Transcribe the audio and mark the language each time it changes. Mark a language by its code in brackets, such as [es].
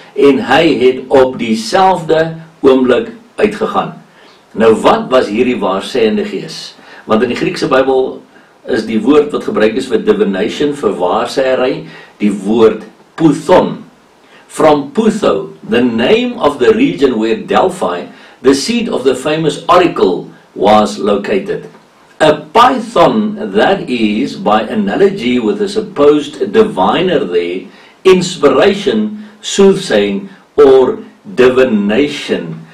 [af] En hy het op dieselfde oomblik uitgegaan. Nou wat was hierdie waarsêende gees? Want in die Griekse Bybel is die woord wat gebruik is vir divination, vir waarsêery, die woord puthon. [en] From putho, the name of the region where Delphi, the seat of the famous oracle, was located. A python that is, by analogy with a supposed diviner there, inspiration, soothsaying, or divination.